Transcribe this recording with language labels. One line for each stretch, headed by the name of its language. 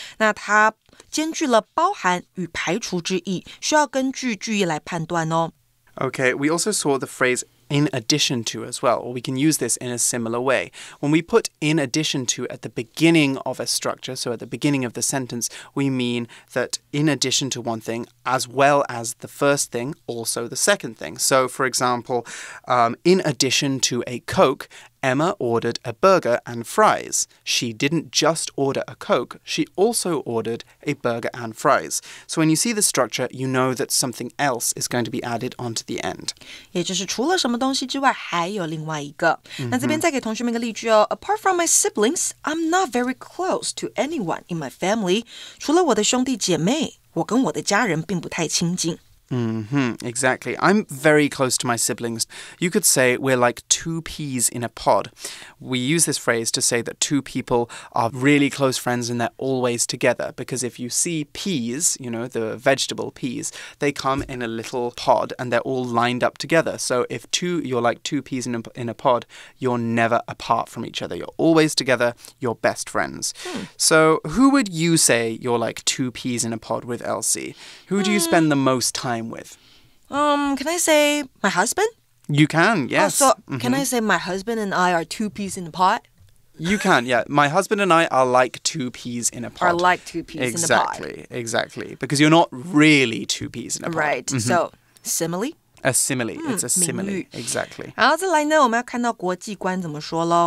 Chinese: 那它兼具了包含与排除之意，需要根据句意来判断哦。
English: Okay, we also saw the phrase in addition to as well, or we can use this in a similar way. When we put in addition to at the beginning of a structure, so at the beginning of the sentence, we mean that in addition to one thing, as well as the first thing, also the second thing. So, for example, in addition to a Coke, Emma ordered a burger and fries. She didn't just order a Coke, she also ordered a burger and fries. So when you see the structure, you know that something else is going to be added onto the end.
Chinese: 也就是除了什么东西之外还有另外一个。那这边再给同学们一个例句哦。
English: Apart from my siblings, I'm not very close to anyone in my family.
Chinese: 除了我的兄弟姐妹,我跟我的家人并不太亲近。
English: Mm-hmm, exactly. I'm very close to my siblings. You could say we're like two peas in a pod. We use this phrase to say that two people are really close friends and they're always together. Because if you see peas, you know, the vegetable peas, they come in a little pod and they're all lined up together. So if you're like two peas in a pod, you're never apart from each other. You're always together, you're best friends. So who would you say you're like two peas in a pod with, Elsie? Who do you spend the most time with? Can I say my husband? You can, yes. Oh, so can I say my husband and I are two peas in a pod? You can, yeah. My husband and I are like two peas in a pod. Are like two peas exactly, in a pod. Exactly. Because you're not really two peas in a pod. Right. So, simile? A simile. It's a simile. Exactly.
Chinese: 然后再来呢，我们要看到国际观怎么说咯。